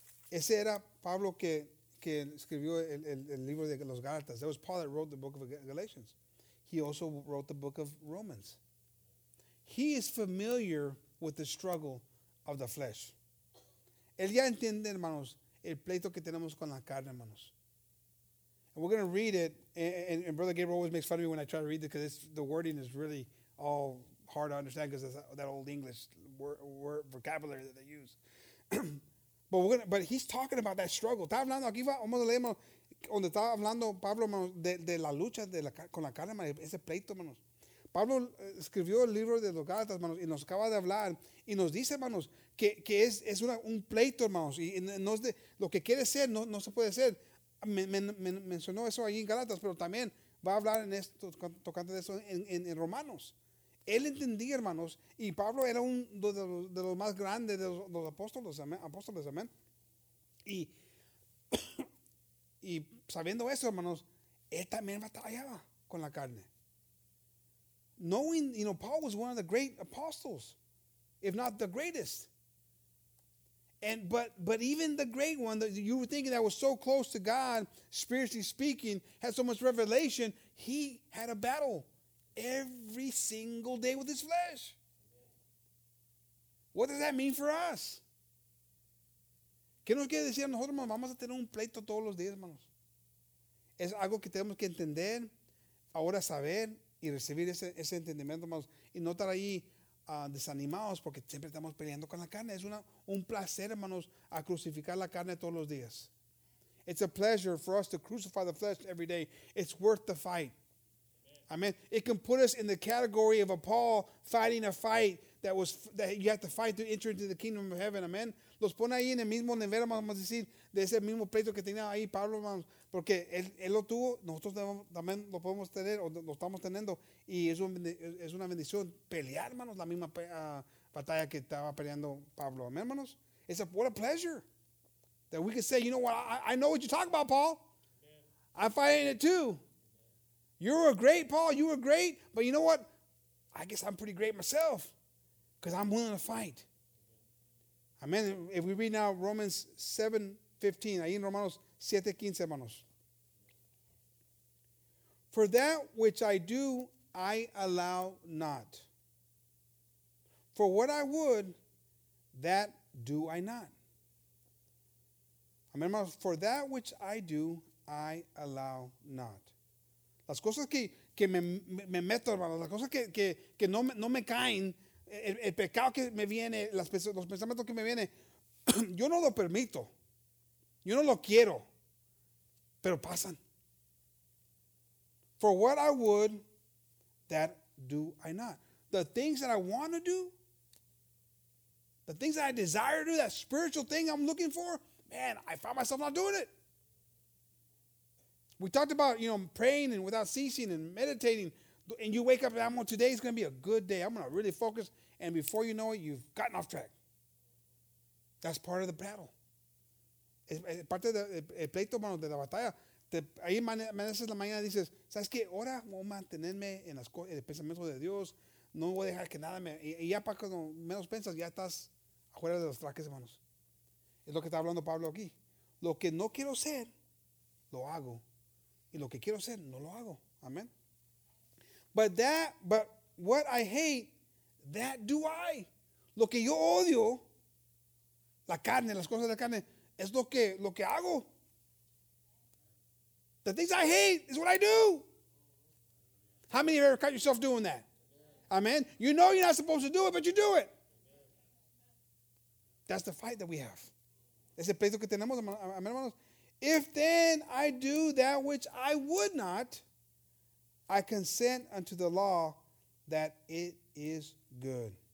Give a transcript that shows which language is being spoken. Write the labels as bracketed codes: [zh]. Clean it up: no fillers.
[es] Ese era Pablo que escribió el libro de los Gálatas. [en] That was Paul that wrote the book of Galatians. He also wrote the book of Romans. He is familiar with the struggle of the flesh. [es] Él ya entiende, hermanos, el pleito que tenemos con la carne, hermanos. [en] And we're going to read it, and Brother Gabriel always makes fun of me when I try to read it because the wording is really all hard to understand because of that old English word vocabulary that they use. but he's talking about that struggle. [es] Está hablando aquí, vamos a leer, donde está hablando Pablo, hermanos, de la lucha con la carne, hermanos, ese pleito, hermanos. Pablo escribió el libro de los Gálatas, hermanos, y nos acaba de hablar y nos dice, hermanos, que es un pleito, hermanos, y no es de lo que quiere ser, no se puede ser. Mencionó eso ahí en Gálatas, pero también va a hablar en esto, tocando de eso en Romanos. Él entendía, hermanos, y Pablo era uno de los más grandes de los apóstoles, amén, apóstoles, amén. Y sabiendo eso, hermanos, él también batallaba con la carne. [en] Knowing, you know, Paul was one of the great apostles, if not the greatest. But even the great one, that you were thinking that was so close to God, spiritually speaking, had so much revelation, he had a battle every single day with his flesh. What does that mean for us? [es] ¿Qué nos quiere decir nosotros, hermanos? Vamos a tener un pleito todos los días, hermanos. Es algo que tenemos que entender, ahora saber, y recibir ese entendimiento, hermanos, y no estar ahí desanimados porque siempre estamos peleando con la carne. Es un placer, hermanos, a crucificar la carne todos los días. [en] It's a pleasure for us to crucify the flesh every day. It's worth the fight. Amen. It can put us in the category of a Paul fighting a fight that you have to fight to enter into the kingdom of heaven. Amen. [es] Los pone ahí en el mismo nivel, vamos a decir, de ese mismo pleito que tenía ahí Pablo, hermanos, porque él lo tuvo, nosotros también lo podemos tener, o lo estamos teniendo, y es una bendición pelear, hermanos, la misma batalla que estaba peleando Pablo. Amén, hermanos. [en] It's what a pleasure that we can say, you know what, I know what you're talking about, Paul. Yeah. I'm fighting it too. You were great, Paul. You were great. But you know what? I guess I'm pretty great myself because I'm willing to fight. Amen. If we read now Romans 7:15, [es] ahí en Romanos 7:15, hermanos. [en] For that which I do, I allow not. For what I would, that do I not. Amen, hermanos. For that which I do, I allow not. [es] Las cosas que me meto, hermano, las cosas que no me caen, el pecado que me viene, los pensamientos que me vienen, yo no lo permito. Yo no lo quiero. Pero pasan. [en] For what I would, that do I not. The things that I want to do, the things that I desire to do, that spiritual thing I'm looking for, man, I find myself not doing it. We talked about, you know, praying and without ceasing and meditating. And you wake up and I'm going, today is going to be a good day. I'm going to really focus. And before you know it, you've gotten off track. That's part of the battle. [es] Es parte del pleito, hermano, de la batalla. Ahí amaneces la mañana y dices, ¿sabes qué? Ahora voy a mantenerme en el pensamiento de Dios, no voy a dejar que nada me... Y ya para cuando menos piensas, ya estás afuera de los traques, hermanos. Es lo que está hablando Pablo aquí. Lo que no quiero ser, lo hago. Y lo que quiero ser, no lo hago. Amén. [en] But what I hate, that do I. [es] Lo que yo odio, la carne, las cosas de la carne, es lo que hago. [en] The things I hate is what I do. How many of you ever caught yourself doing that? Amen. You know you're not supposed to do it, but you do it. That's the fight that we have. [es] Ese pleito que tenemos, hermanos. [en] If then I do that which I would not, I consent unto the law that it is good.